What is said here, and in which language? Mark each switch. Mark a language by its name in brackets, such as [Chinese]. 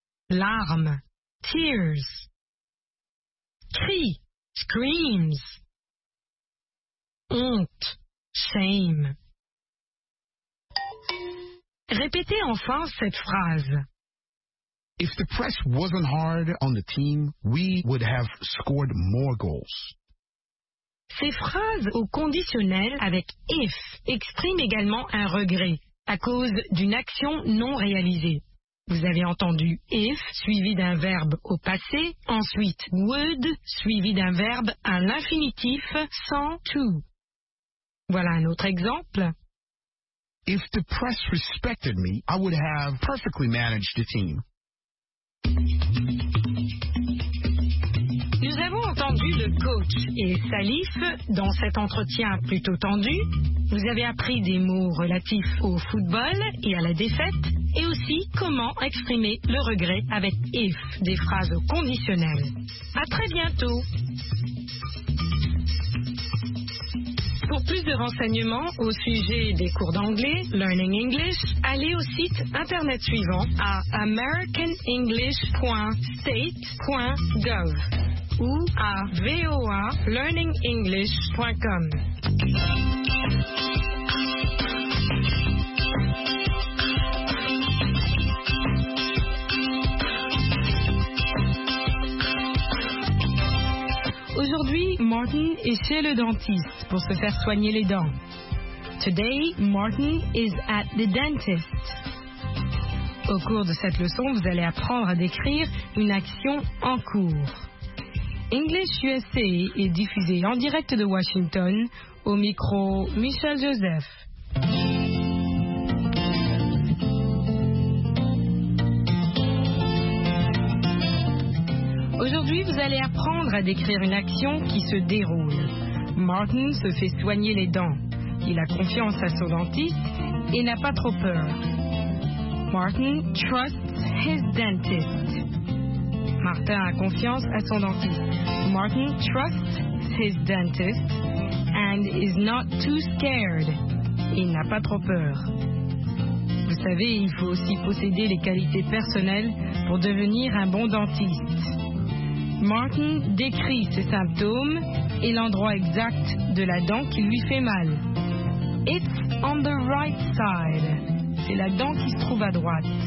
[French] Larmes, tears. Cris, screams. Honte, shame. Répétez enfin cette phrase. [English] If the press wasn't hard on the team, we would have scored more goals. [French] Ces phrases au conditionnel avec if expriment également un regret à cause d'une action non réalisée. Vous avez entendu if suivi d'un verbe au passé, ensuite would suivi d'un verbe à l'infinitif sans to. Voilà un autre exemple. [English] If the press respected me, I would have perfectly managed the team. [French] Nous avons entendu le coach et Salif dans cet entretien plutôt tendu. Vous avez appris des mots relatifs au football et à la défaite, et aussi comment exprimer le regret avec if, des phrases conditionnelles. À très bientôt. Pour plus de renseignements au sujet des cours d'anglais, Learning English, allez au site internet suivant à americanenglish.state.gov ou à voalearningenglish.com. Aujourd'hui, Martin est chez le dentiste pour se faire soigner les dents. [English] Today, Martin is at the dentist. [French] Au cours de cette leçon, vous allez apprendre à décrire une action en cours. English USA est diffusé en direct de Washington au micro Michel Joseph. Aujourd'hui, vous allez apprendre à décrire une action qui se déroule. Martin se fait soigner les dents. Il a confiance à son dentiste et n'a pas trop peur. [English] Martin trusts his dentist. [French] Martin a confiance à son dentiste. [English] Martin trusts his dentist and is not too scared. [French] Il n'a pas trop peur. Vous savez, il faut aussi posséder les qualités personnelles pour devenir un bon dentiste. Martin décrit ses symptômes et l'endroit exact de la dent qui lui fait mal. [English] It's on the right side. [French] C'est la dent qui se trouve à droite.